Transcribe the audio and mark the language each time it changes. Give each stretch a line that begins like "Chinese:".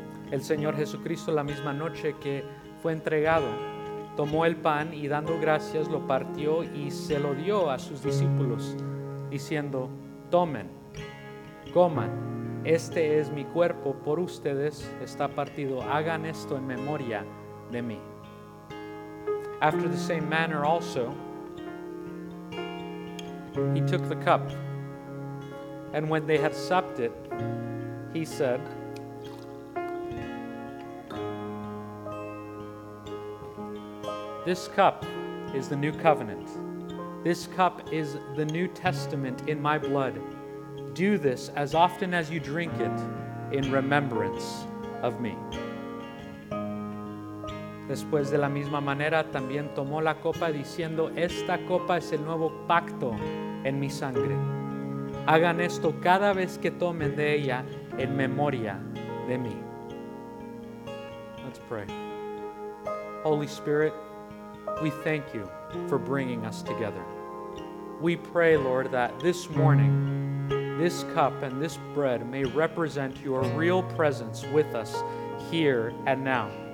Spanish: El Señor Jesucristo, la misma noche que fue entregado, tomó el pan y dando gracias lo partió y se lo dio a sus discípulos, diciendo, "Tomen, coman. Este es mi cuerpo, por ustedes está partido. Hagan esto en memoria de mí."
English: After the same manner also, he took the cup, and when they had supped it, he said, "This cup is the new covenant. This cup is the new testament in my blood. Do this as often as you drink it in remembrance of me."
Spanish: Después de la misma manera, también tomó la copa diciendo, "Esta copa es el nuevo pacto en mi sangre. Hagan esto cada vez que tomen de ella en memoria de mí."
English: Let's pray. Holy Spirit, we thank you for bringing us together. We pray, Lord, that this morning, this cup and this bread may represent your real presence with us here and now.